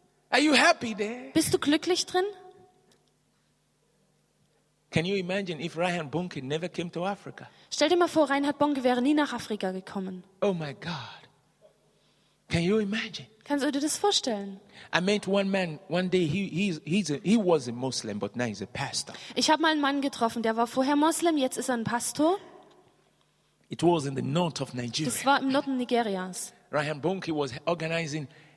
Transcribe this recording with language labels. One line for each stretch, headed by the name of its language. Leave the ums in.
English: Are you happy there?
German: Bist du glücklich drin?
English: Can you imagine if Reinhard Bonke never came to Africa?
German: Stell dir mal vor, Reinhard Bonke wäre nie nach Afrika gekommen.
English: Oh my God. Can you imagine?
German: Kannst du dir das vorstellen?
English: I met one man one day. He he's, he's he was a Muslim, but now he's a pastor.
German: Ich habe mal einen Mann getroffen, der war vorher Muslim, jetzt ist er ein Pastor.
English: It was in the north of Nigeria.
German: Das war im Norden Nigerias.
English: Reinhard Bonke was organizing.